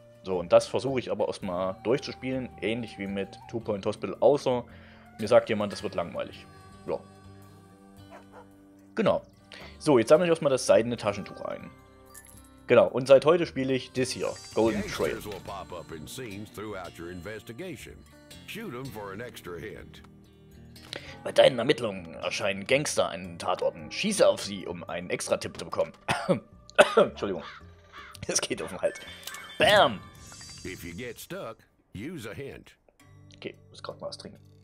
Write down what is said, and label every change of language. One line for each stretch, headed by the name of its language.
German: So, und das versuche ich aber erstmal durchzuspielen, ähnlich wie mit Two Point Hospital, außer mir sagt jemand, das wird langweilig. Ja. Genau. So, jetzt sammle ich erstmal das seidene Taschentuch ein. Genau, und seit heute spiele ich das hier, Golden Trail.
English: Will pop up in scenes throughout your investigation. Shoot them for an extra hint.
German: Bei deinen Ermittlungen erscheinen Gangster an Tatorten. Schieße auf sie, um einen extra Tipp zu bekommen. Entschuldigung. Es geht auf den Hals. Bam!
English: If you get stuck, use a hint.
German: Okay, muss gerade mal was trinken.